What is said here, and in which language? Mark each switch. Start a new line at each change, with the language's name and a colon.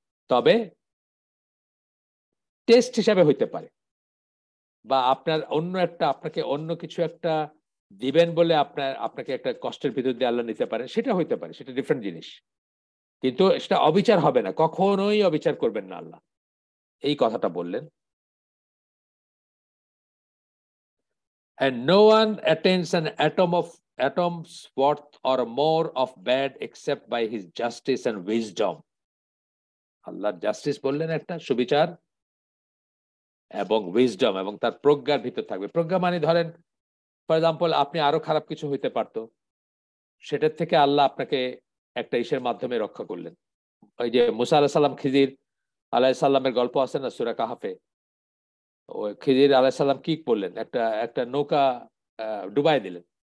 Bangla: তবে টেস্ট হিসাবে হইতে পারে, বা আপনার অন্য একটা, আপনাকে অন্য কিছু একটা দিবেন বলে আপনার আপনাকে একটা কষ্টের ভিতর দিয়ে আল্লাহ নিতে পারেন, সেটা হইতে পারে, সেটা ডিফারেন্ট জিনিস, কিন্তু সেটা অবিচার হবে না, কখনোই অবিচার করবেন না আল্লাহ, এই কথাটা বললেন।
English: And no one attains an atom of atom's worth or more of bad except by his justice and wisdom.
Bangla: Allah justice বললেন একটা, সুবিচার এবং উইজডম, এবং তার প্রজ্ঞার ভিতর থাকবে। প্রজ্ঞা মানে ধরেন, ফর এক্সাম্পল, আপনি আরো খারাপ কিছু হইতে পারতো, সেটার থেকে আল্লাহ আপনাকে একটা ইসের মাধ্যমে রক্ষা করলেন। ওই যে মুসা আলাহ সাল্লাম, খিজির আলাহ সাল্লামের গল্প আছে না সূরা কাহাফে, ওই খিজির আলাহ সাল্লাম কি করলেন, একটা একটা নৌকা ডুবাই দিলেন।